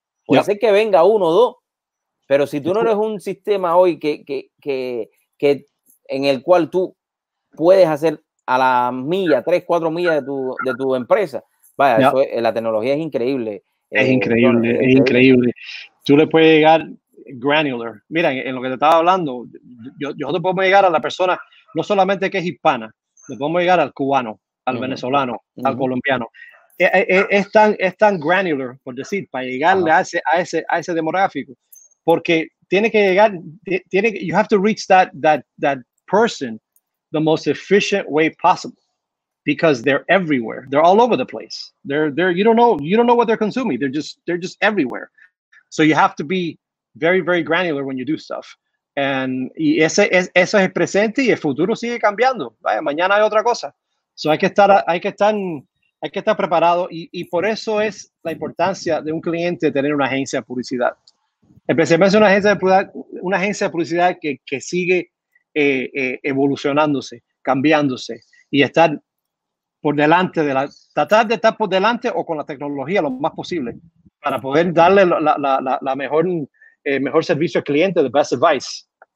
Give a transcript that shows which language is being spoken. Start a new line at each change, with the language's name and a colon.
Spanish: Puede ser que venga uno o dos, pero si tú no eres un sistema hoy que en el cual tú puedes hacer a la milla, 3-4 millas de tu empresa, vaya, yeah, eso es, la tecnología es increíble. Es increíble. Tú le puedes llegar granular. Mira, en lo que te estaba hablando, yo te puedo llegar a la persona, no solamente que es hispana, le podemos llegar al cubano, al, uh-huh, venezolano, uh-huh, al colombiano. Es tan granular, por decir, para llegarle, uh-huh, a ese demográfico, porque tiene que llegar, tiene que,
English: you have to reach that person the most efficient way possible, because they're everywhere, they're all over the place, they're you don't know what they're consuming, they're just everywhere, so you have to be very very granular when you do stuff.
Spanish: Y eso es el presente y el futuro sigue cambiando. Vaya, mañana hay otra cosa. So hay que estar preparado y por eso es la importancia de un cliente tener una agencia de publicidad. Especialmente una agencia de publicidad que sigue evolucionándose, cambiándose y estar por delante de la, tratar de estar por delante o con la tecnología lo más posible para poder darle la mejor servicio al cliente,
English: the best advice.